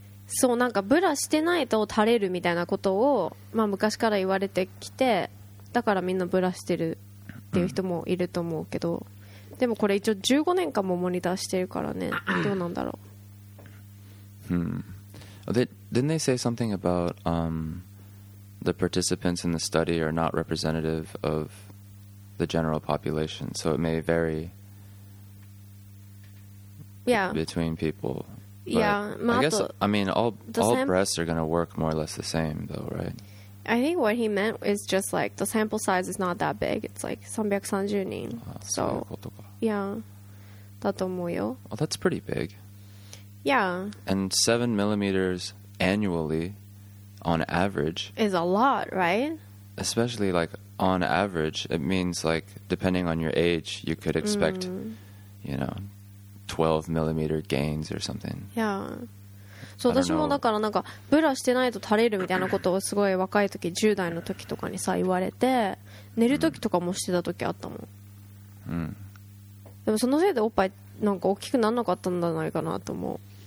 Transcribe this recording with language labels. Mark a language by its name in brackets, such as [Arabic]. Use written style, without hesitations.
[Japanese] そうなんかブラしてないと垂れるみたいなことを、まあ、昔から言われてきてだからみんなブラしてるっていう人もいると思うけどでもこれ一応15年間もモニターしてるからねどうなんだろう、 [English] Didn't they say something about、the participants in the study are not representative of the general population so it may vary、 yeah. between peopleBut、 yeah, I guess, I mean, all breasts are going to work more or less the same, though, right? I think what he meant is just, like, the sample size is not that big. It's, like, 330人.So, yeah, [Japanese] だと思うよ. [English] Well, that's pretty big. Yeah. And 7 millimeters annually, on average... Is a lot, right? Especially, like, on average, it means, like, depending on your age, you could expect,、mm. you know... 12 millimeter gains or something. Yeah. [Japanese] そう私もだからなんかブラしてないと垂れるみたいなことをすごい若い時10代の時とかにさ言われて寝る時とかもしてた時あったもん。うん。でもそのせいでおっぱいなんか大きくなんなかったんじゃないかなと思う。